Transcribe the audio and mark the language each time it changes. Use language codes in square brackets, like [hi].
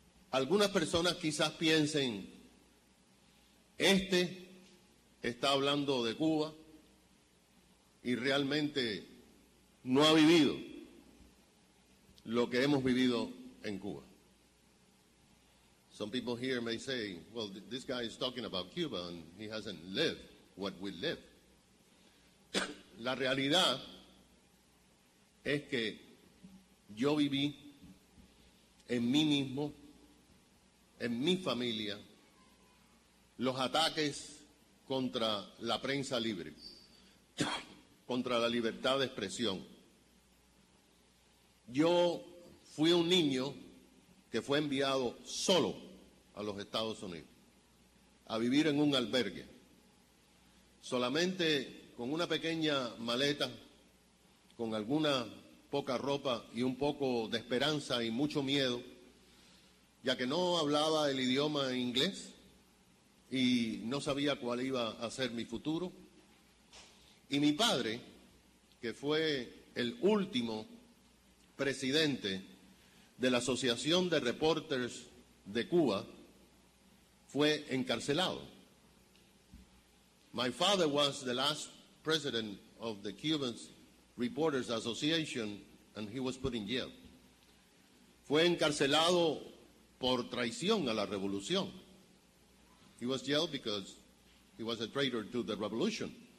[es] Algunas personas quizás piensen, este está hablando de Cuba y realmente no ha vivido lo que hemos vivido en Cuba. [en] Some people here may say, well, this guy is talking about Cuba and he hasn't lived what we live. [es] La realidad es que yo viví en mí mismo, en mi familia, los ataques contra la prensa libre, contra la libertad de expresión. Yo fui un niño que fue enviado solo a los Estados Unidos a vivir en un albergue, solamente con una pequeña maleta, con alguna poca ropa y un poco de esperanza y mucho miedo, ya que no hablaba el idioma inglés y no sabía cuál iba a ser mi futuro. Y mi padre, que fue el último presidente de la Asociación de Reporters de Cuba, fue encarcelado. [en] My father was the last president of the Cuban Reporters Association and he was put in jail. [es] Fue encarcelado por traición a la revolución. [en] He was jailed because he was a traitor to the revolution.